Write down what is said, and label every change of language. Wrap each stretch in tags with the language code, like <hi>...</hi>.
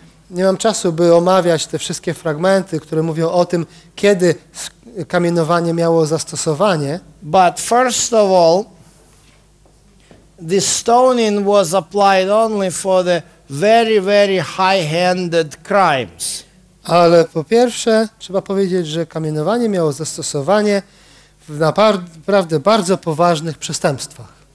<pl>Nie mam czasu, by omawiać te wszystkie fragmenty, które mówią o tym, kiedy kamienowanie miało zastosowanie.</pl> <en>But first of all, the stoning was applied only for the very, very high-handed crimes.</en> <pl>Ale po pierwsze, trzeba powiedzieć, że kamienowanie miało zastosowanie w naprawdę bardzo poważnych przestępstwach.</pl>